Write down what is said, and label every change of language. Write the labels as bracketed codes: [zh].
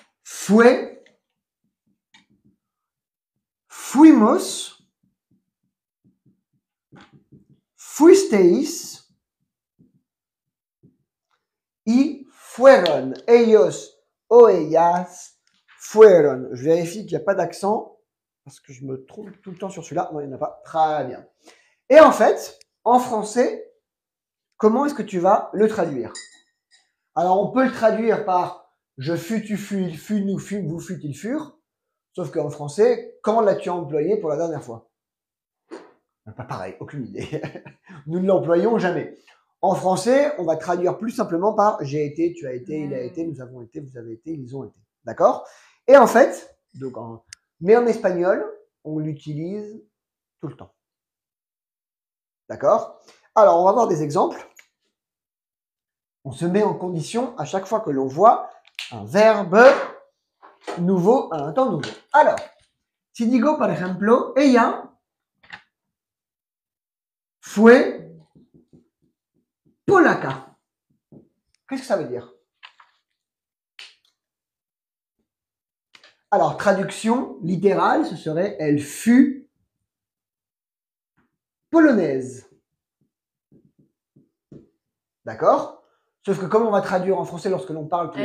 [es] fue, fuimos, fuisteis, y fueron, ellos o ellas fueron. [fr] Je vérifie qu'il n'y a pas d'accent parce que je me trompe tout le temps sur celui-là. Non, il n'y en a pas. Très bien. Et en fait, en français, comment est-ce que tu vas le traduire? Alors, on peut le traduire par je fus, tu fus, il fut, nous fûmes, vous fûtes, ils furent. Sauf qu'en français, quand l'as-tu employé pour la dernière fois? Pas pareil, aucune idée. Nous ne l'employons jamais. En français, on va traduire plus simplement par j'ai été, tu as été, il a été, nous avons été, vous avez été, ils ont été. D'accord? Et en fait, donc mais en espagnol, on l'utilise tout le temps. D'accord? Alors, on va voir des exemples. On se met en condition à chaque fois que l'on voit un verbe nouveau à un temps nouveau. [es] Alors, si digo, par ejemplo, ella fue Polaca. [fr] Qu'est-ce que ça veut dire? Alors, traduction littérale, ce serait elle fut polonaise. D'accord? Sauf que comme on va traduire en français lorsque l'on parle tous les